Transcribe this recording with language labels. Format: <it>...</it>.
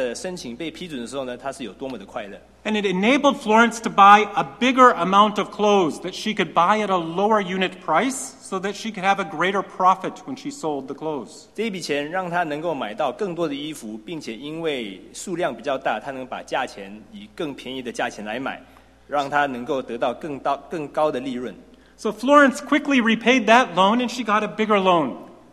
<zh>所以你可以想象到，当她得知说她的申请被批准的时候呢，她是有多么的快乐。</zh> <en>And it enabled Florence to buy a bigger amount of clothes that she could buy at a lower unit price so that she could have a greater profit when she sold the clothes.</en> <zh>这笔钱让她能够买到更多的衣服，并且因为数量比较大，她能把价钱以更便宜的价钱来买，让她能够得到更高的利润。</zh> <en>So Florence quickly repaid that loan and she got a bigger loan.</en>